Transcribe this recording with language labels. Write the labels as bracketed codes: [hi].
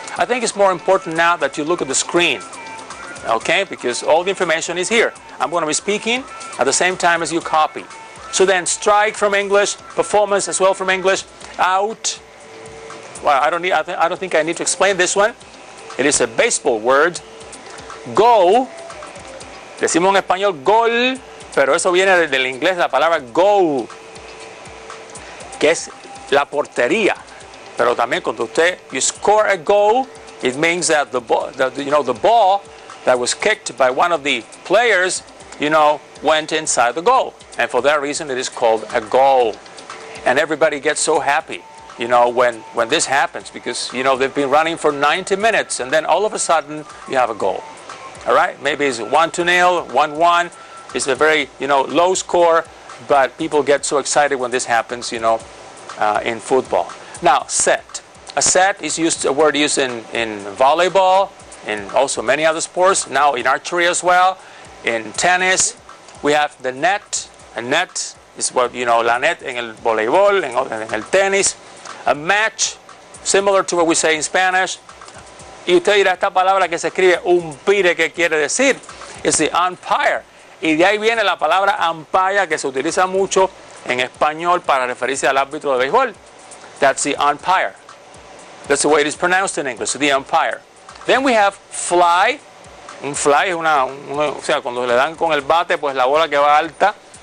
[en] I think it's more important now that you look at the screen, okay, because all the information is here. I'm going to be speaking at the same time as you copy. So then, strike from English, performance as well from English, out. Well, I don't think I need to explain this one. It is a baseball word. Goal. [es] Decimos en español gol, pero eso viene del inglés, la palabra goal, que es la portería. Pero también cuando usted, [en] you score a goal, it means that the ball that was kicked by one of the players, you know, went inside the goal. And for that reason, it is called a goal. And everybody gets so happy, you know, when this happens, because, you know, they've been running for 90 minutes, and then all of a sudden, you have a goal. All right, maybe it's 1-0, 1-1. It's a very, you know, low score, but people get so excited when this happens, you know, in football. Now, set. A set is used, a word used in volleyball, in also many other sports, now in archery as well, in tennis. We have the net. A net is what, you know, [es] la net en el voleibol, en el tenis. [en] A match, similar to what we say in Spanish. [es] Y usted dirá, esta palabra que se escribe, umpire, ¿qué quiere decir? Es the umpire. Y de ahí viene la palabra umpire, que se utiliza mucho en español para referirse al árbitro de béisbol. [en] That's the umpire. That's the way it is pronounced in English, the umpire. Then we have fly. [es] Un fly es una, o sea, cuando le dan con el bate, pues la bola que va alta.